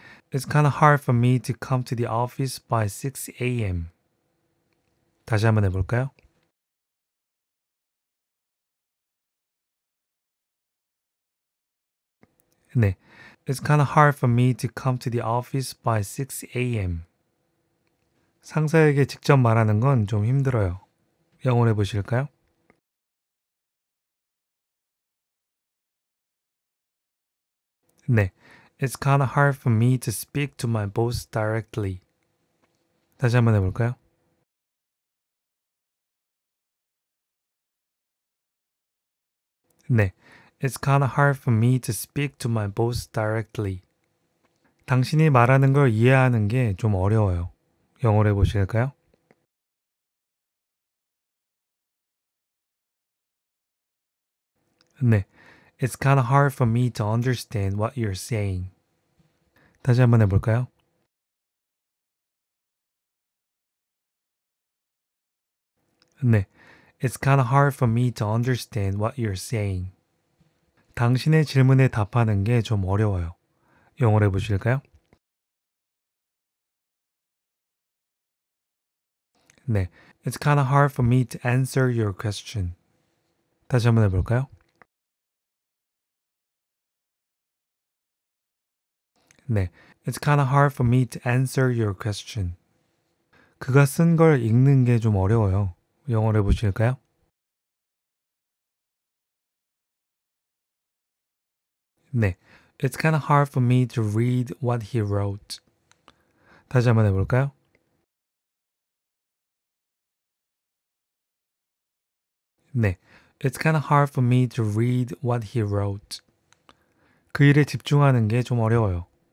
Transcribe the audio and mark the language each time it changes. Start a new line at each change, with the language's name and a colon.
English: It's kind of hard for me to come to the office by 6 a.m.
Korean: 다시 한번 해볼까요? 네.
English: It's kind of hard for me to come to the office by 6 a.m.
Korean: 상사에게 직접 말하는 건 좀 힘들어요. 영어로 해보실까요?
English: It's kind of hard for me to speak to my boss directly.
Korean: 다시 한번 해볼까요?
English: 네. It's kind of hard for me to speak to my boss directly.
Korean: 당신이 말하는 걸 이해하는 게 좀 어려워요. 영어로 해보실까요?
English: It's kind of hard for me to understand what you're saying.
Korean: 다시 한번 해볼까요? 네.
English: It's kind of hard for me to understand what you're saying.
Korean: 당신의 질문에 답하는 게 좀 어려워요. 영어로 해보실까요? 네.
English: It's kind of hard for me to answer your question.
Korean: 다시 한번 해볼까요? 네.
English: It's kind of hard for me to answer your question.
Korean: 그가 쓴 걸 읽는 게 좀 어려워요. 영어로 해보실까요? 네.
English: It's kind of hard for me to read what he wrote.
Korean: 다시 한번 해볼까요? 네.
English: It's kind of hard for me to read what he wrote.
Korean: 그 일에 집중하는 게 좀 어려워요.